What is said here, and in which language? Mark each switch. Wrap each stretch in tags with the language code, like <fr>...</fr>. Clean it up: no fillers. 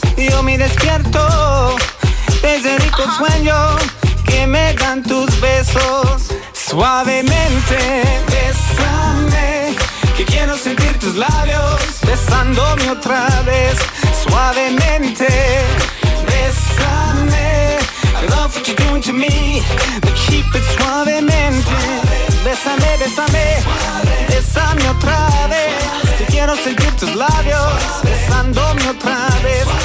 <es>Yo me despierto de ese rico sueño que me dan tus besos. Suavemente, bésame, que quiero sentir tus labios besándome otra vez. Suavemente, bésame.</es> <en>I love what you're doing to me, but keep it suavemente.</en> <es>Bésame, bésame, bésame otra vez. Yo quiero sentir tus labios besándome otra vez.</es>